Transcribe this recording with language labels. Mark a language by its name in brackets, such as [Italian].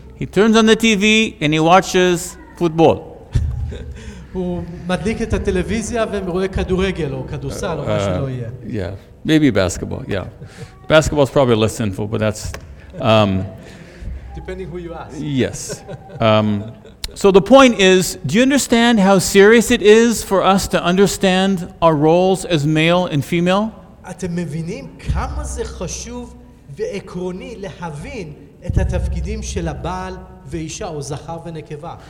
[English] He turns on the TV and he watches football. [Hebrew] הוא מדליק את הטלוויזיה ורואה כדורגל או כדורסל או מה שלא יהיה. [English] Yeah, maybe basketball. Yeah. Basketball is probably less sinful, but that's depending who you ask. Yes. So the point is, do you understand how serious it is for us to understand our roles as male and female? [Hebrew] אתם מבינים כמה זה חשוב ועקרוני להבין את התפקידים של הבעל ואישה או זכר ונקבה?